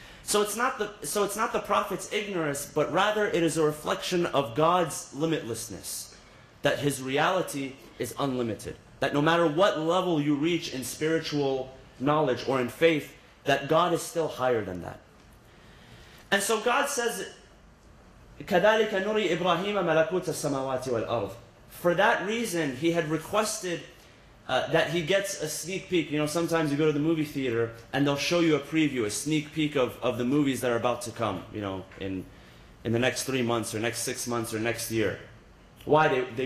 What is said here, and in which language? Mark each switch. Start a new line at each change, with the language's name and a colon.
English: So it's not the Prophet's ignorance, but rather it is a reflection of God's limitlessness, that his reality is unlimited. That no matter what level you reach in spiritual knowledge or in faith, that God is still higher than that. And so God says,
Arabic: كَذَلِكَ نُرِي إِبْرَاهِيمَ مَلَكُوتَ السَّمَوَاتِ وَالْأَرْضِ.
English: For that reason, he had requested that he gets a sneak peek. You know, sometimes you go to the movie theater and they'll show you a preview, a sneak peek of the movies that are about to come, you know, in the next 3 months or next 6 months or next year. Why?